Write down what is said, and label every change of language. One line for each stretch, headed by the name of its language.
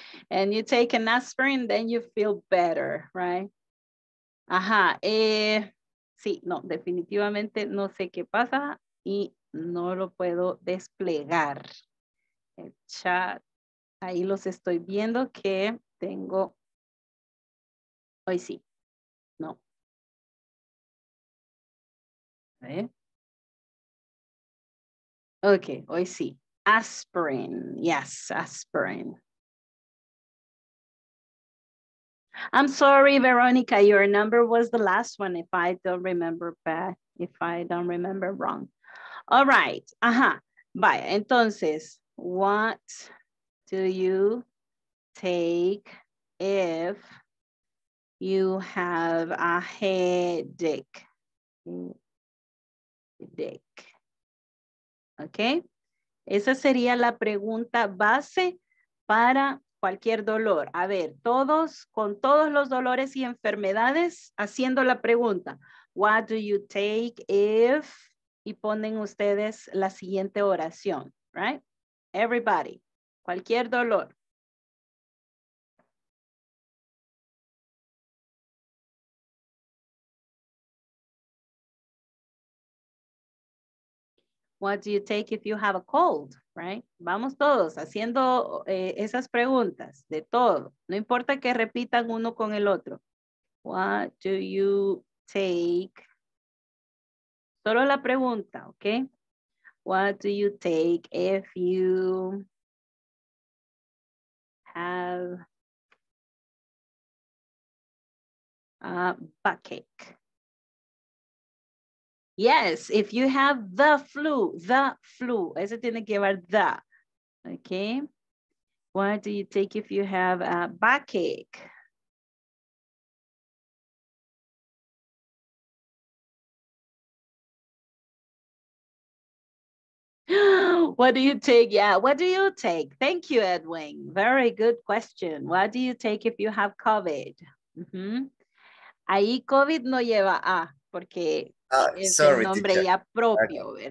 English: And you take an aspirin, then you feel better, right?
Spanish: Ajá, sí, no, definitivamente no sé qué pasa y no lo puedo desplegar. El chat. Ahí los estoy viendo que tengo. Hoy sí. No. ¿Eh?
English: Ok,
Spanish: hoy sí.
English: Aspirin. Yes, aspirin. I'm sorry, Veronica. Your number was the last one. If I don't remember bad, if I don't remember wrong. All right. Ajá.
Spanish: Vaya, entonces,
English: what. Do you take if you have a headache? Okay.
Spanish: Esa sería la pregunta base para cualquier dolor. A ver, todos, con todos los dolores y enfermedades, haciendo la pregunta.
English: What do you take if?
Spanish: Y ponen ustedes la siguiente oración,
English: right? Everybody.
Spanish: Cualquier dolor.
English: What do you take if you have a cold, right?
Spanish: Vamos todos haciendo esas preguntas de todo. No importa que repitan uno con el otro.
English: What do you take?
Spanish: Solo la pregunta,
English: ¿ok? What do you take if you... have a backache. Yes, if you have the flu,
Spanish: eso tiene que llevar
English: the. Okay. What do you take if you have a backache? What do you take? Yeah, what do you take? Thank you, Edwin. Very good question. What do you take if you have COVID? Mm-hmm.
Spanish: Ahí COVID no lleva A, porque es sorry, el nombre teacher. Ya propio, okay.